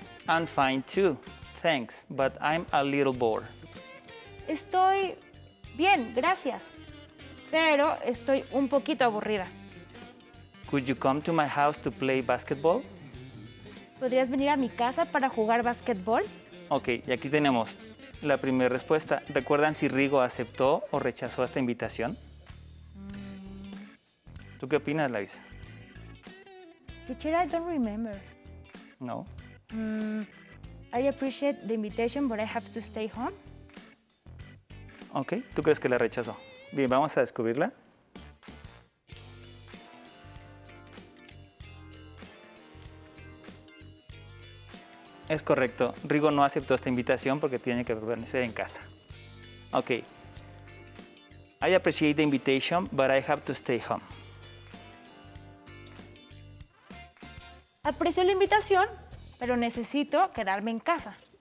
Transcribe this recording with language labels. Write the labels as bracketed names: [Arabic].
[English] I'm fine too, thanks, but I'm a little bored. [Spanish] Estoy bien, gracias. Pero estoy un poquito aburrida. [English] Could you come to my house to play basketball? [Spanish] ¿Podrías venir a mi casa para jugar basketball? Ok, y aquí tenemos la primera respuesta. ¿Recuerdan si Rigo aceptó o rechazó esta invitación? ¿Tú qué opinas, Larisa? [English] Teacher, I don't remember. [Spanish] No. [English] I appreciate the invitation, but I have to stay home. [Spanish] Ok, ¿tú crees que la rechazó? Bien, vamos a descubrirla. Es correcto. Rigo no aceptó esta invitación porque tiene que permanecer en casa. Ok. [English] I appreciate the invitation, but I have to stay home. [Spanish] Aprecio la invitación, pero necesito quedarme en casa.